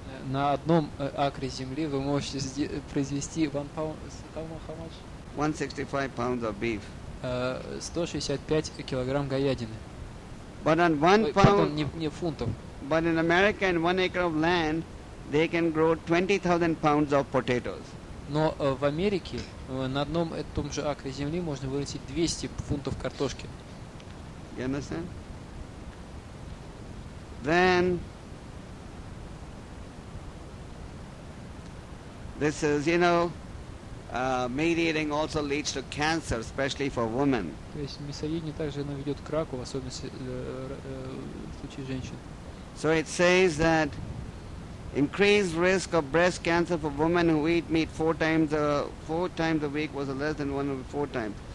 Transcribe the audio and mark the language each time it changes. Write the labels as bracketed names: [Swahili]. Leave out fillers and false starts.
[Russian] На одном акре земли вы можете произвести [English] 1 pound. How much? 165 pounds of beef. 165 kilograms [Russian] говядины. [English] But on 1 pound. [Russian] Не фунтов. [English] But in America, in 1 acre of land, they can grow 20,000 pounds of potatoes. [Russian] Но в Америке на одном и том же акре земли можно вырастить 200 фунтов картошки. [English] You understand? Then this is, you know, meat eating also leads to cancer, especially for women. [Russian] То есть мясоедение также наведет к раку, в особенности в случае женщин. [English] So it says that increased risk of breast cancer for women who eat meat four times a week was less than one of four times.